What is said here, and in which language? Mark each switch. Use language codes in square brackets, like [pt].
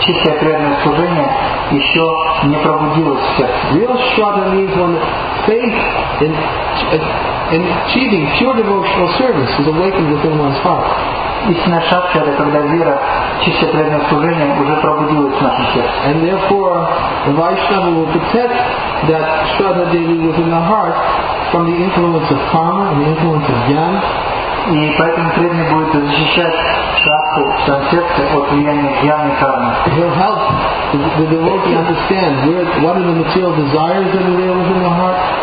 [ru] чистое преданное служение еще не пробудилось в сердце. [en] Real Shraddha means when faith in achieving pure devotional service is awakened within one's heart. [ru] Истинная шадха — это когда вера чистое преданное служение уже пробудилось в нашем сердце. [en] And therefore the Vaishnava will protect that Shraddha daily within the heart from the influence of karma and the influence of jnana. [ru] И поэтому преданный будет защищать шрадху в своем сердце от влияния джняны и кармы. [en] It will help the devotee understand what are the material desires that are within the heart.